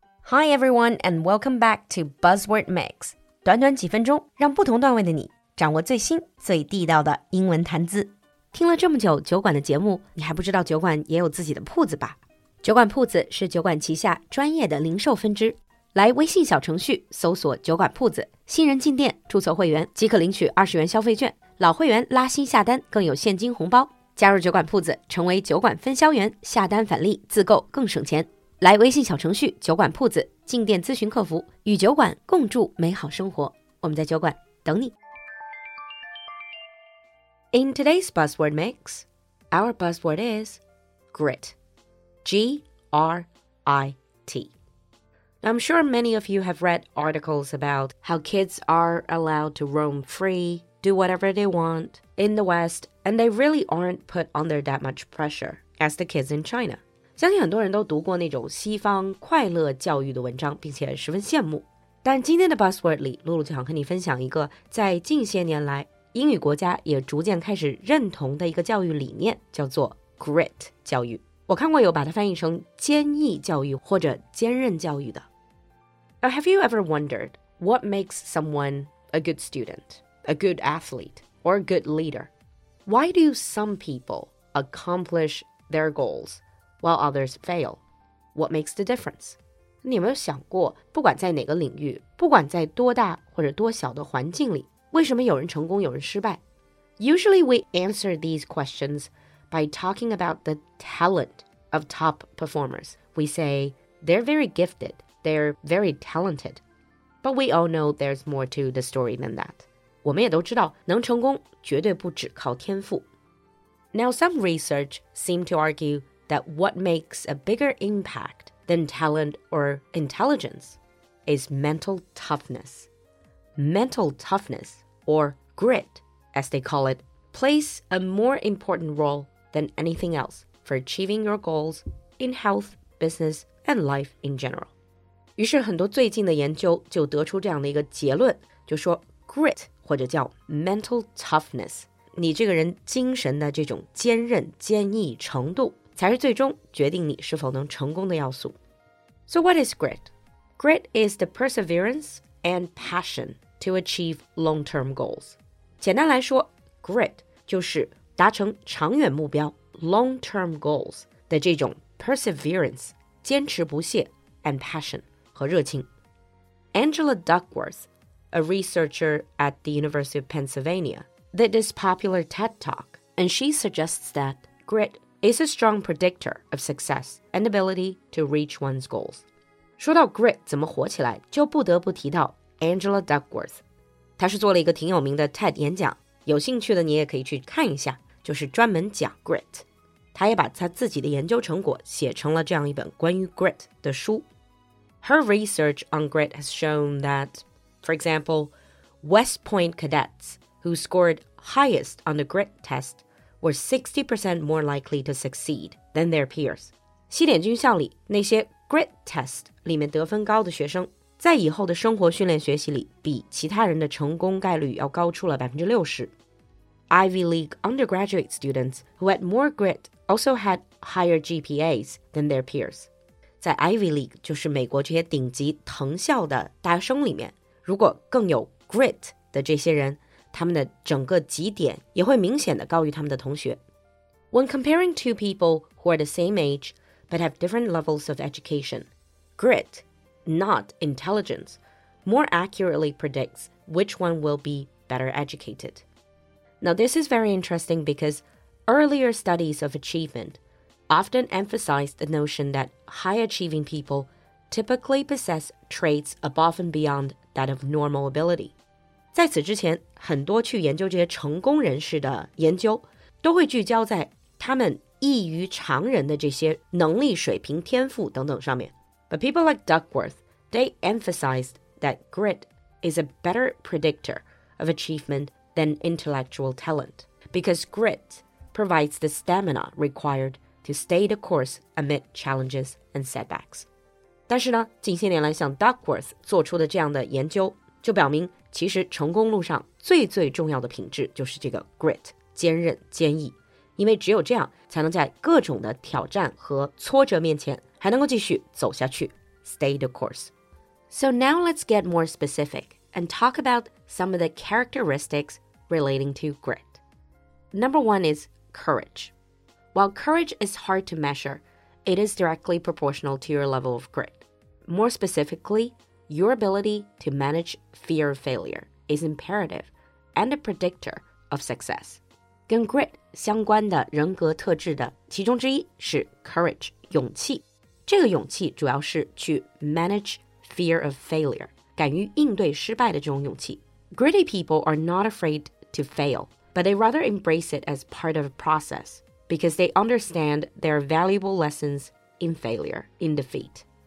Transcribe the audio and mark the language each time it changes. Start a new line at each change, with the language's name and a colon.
English: Hi everyone, and welcome back to Buzzword Mix.
Chinese: 短短几分钟，让不同段位的你掌握最新、最地道的英文谈资。听了这么久酒馆的节目，你还不知道酒馆也有自己的铺子吧？酒馆铺子是酒馆旗下专业的零售分支。来微信小程序搜索酒馆铺子，新人进店，注册会员即可领取20元消费券，老会员拉新下单更有现金红包。加入酒馆铺子，成为酒馆分销员，下单返利，自购更省钱。来微信小程序酒馆铺子，进店咨询客服，与酒馆共筑美好生活。我们在酒馆等你。
English: In today's buzzword mix, our buzzword is grit. G-R-I-T. I'm sure many of you have read articles about how kids are allowed to roam free, do whatever they want in the West, and they really aren't put under that much pressure as the kids in China.
Chinese: 相信很多人都读过那种西方快乐教育的文章，并且十分羡慕。但今天的 Buzzword 里，露露就想和你分享一个在近些年来英语国家也逐渐开始认同的一个教育理念，叫做 Grit 教育。我看过有把它翻译成坚毅教育或者坚韧教育的。
English: Now, have you ever wondered what makes someone a good student, a good athlete, or a good leader? Why do some people accomplish their goals? While others fail, what makes the difference?
Chinese: 你有没有想过，不管在哪个领域，不管在多大或者多小的环境里，为什么有人成功，有人失败？
English: Usually we answer these questions by talking about the talent of top performers. We say, they're very gifted, they're very talented. But we all know there's more to the story than that.
Chinese: 我们也都知道，能成功绝对不只靠天赋。
English: Now some research seem to arguethat what makes a bigger impact than talent or intelligence is mental toughness. Mental toughness, or grit, as they call it, plays a more important role than anything else for achieving your goals in health, business, and life in general.
Chinese: 于是很多最近的研究就得出这样的一个结论，就说 grit, 或者叫
English: mental toughness,
Chinese: 你这个人精神的这种坚韧、坚毅程度才是最终决定你是否能成功的要素。
English: So what is grit? Grit is the perseverance and passion to achieve long-term goals.
Chinese: 简单来说 ,grit 就是达成长远目标
English: long-term goals
Chinese: 的这种
English: perseverance,
Chinese: 坚持不懈
English: and passion
Chinese: 和热情。
English: Angela Duckworth, a researcher at the University of Pennsylvania, did this popular TED talk, and she suggests that gritis a strong predictor of success and ability to reach one's goals.
Chinese: 说到 grit 怎么火起来，就不得不提到 Angela Duckworth. 她是做了一个挺有名的 TED 演讲，有兴趣的你也可以去看一下，就是专门讲 grit. 她也把她自己的研究成果写成了这样一本关于 grit 的书。
English: Her research on grit has shown that, for example, West Point cadets who scored highest on the grit test,were 60% more likely to succeed than their peers.
Chinese: 西点军校里那些 grit test 里面得分高的学生在以后的生活训练学习里比其他人的成功概率要高出了 60%.
English: Ivy League undergraduate students who had more grit also had higher GPAs than their peers.
Chinese: 在 Ivy League 就是美国这些顶级藤校的大学生里面，如果更有 grit 的这些人，他们的整个绩点也会明显的高于他们的同学。
English: When comparing two people who are the same age but have different levels of education, grit, not intelligence, more accurately predicts which one will be better educated. Now this is very interesting because earlier studies of achievement often emphasized the notion that high-achieving people typically possess traits above and beyond that of normal ability.
Chinese: 在此之前，很多去研究这些成功人士的研究都会聚焦在他们异于常人的这些能力水平天赋等等上面。
English: But people like Duckworth, they emphasized that grit is a better predictor of achievement than intellectual talent because grit provides the stamina required to stay the course amid challenges and setbacks.
Chinese: 但是呢，近些年来像 Duckworth 做出的这样的研究就表明其实成功路上最最重要的品质就是这个 grit, 坚韧坚毅。因为只有这样才能在各种的挑战和挫折面前还能够继续走下去
English: stay the course. So now let's get more specific and talk about some of the characteristics relating to grit. Number one is courage. While courage is hard to measure, it is directly proportional to your level of grit. More specifically, your ability to manage fear of failure is imperative and a predictor of success.
Chinese: 跟 grit 相关的人格特质的其中之一是 courage, 勇气。这个勇气主要是去
English: manage fear of failure,
Chinese: 敢于应对失败的这种勇气。
English: Gritty people are not afraid to fail, but they rather embrace it as part of a process, because they understand there are valuable lessons in failure, in defeat.